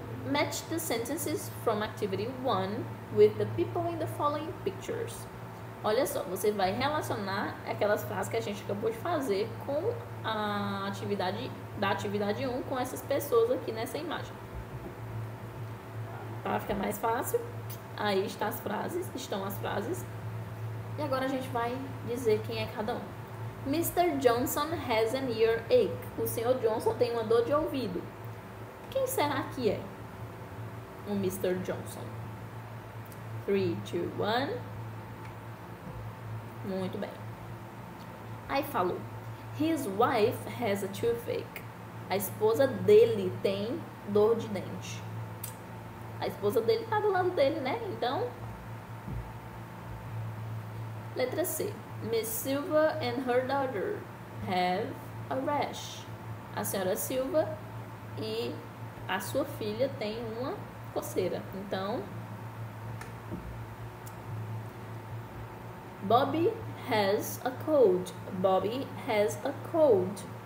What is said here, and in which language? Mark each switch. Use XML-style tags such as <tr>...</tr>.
<en>Match the sentences from activity 1 with the people in the following pictures.</en> <pt>Olha só, você vai relacionar aquelas frases que a gente acabou de fazer com a atividade, da atividade 1, com essas pessoas aqui nessa imagem. Para ficar mais fácil, aí está as frases, estão as frases. E agora a gente vai dizer quem é cada um.</pt> <en>Mr. Johnson has an earache.</en> <pt>O Sr. Johnson tem uma dor de ouvido. Quem será que é o Mr. Johnson? 3, 2, 1... Muito bem. Aí falou,</pt> <en>his wife has a toothache.</en> <pt>A esposa dele tem dor de dente. A esposa dele tá do lado dele, né? Então, letra C.</pt> <en>Miss Silva and her daughter have a rash.</en> <pt>A senhora Silva e a sua filha têm uma coceira.</pt> <en>Então, Bobby has a cold. Bobby has a cold.</en>